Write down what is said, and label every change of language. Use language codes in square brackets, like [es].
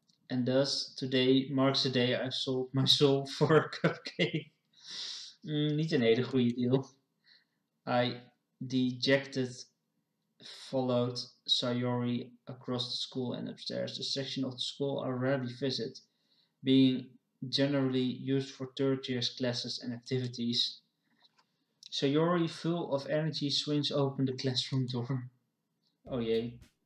[en] And thus, today marks the day I sold my soul for a cupcake. [nl] niet een hele goede deal. [en] I dejected followed Sayori across the school and upstairs. The section of the school I rarely visit, being generally used for third year's classes and activities. Sayori, full of energy, swings open the classroom door. Oh yay.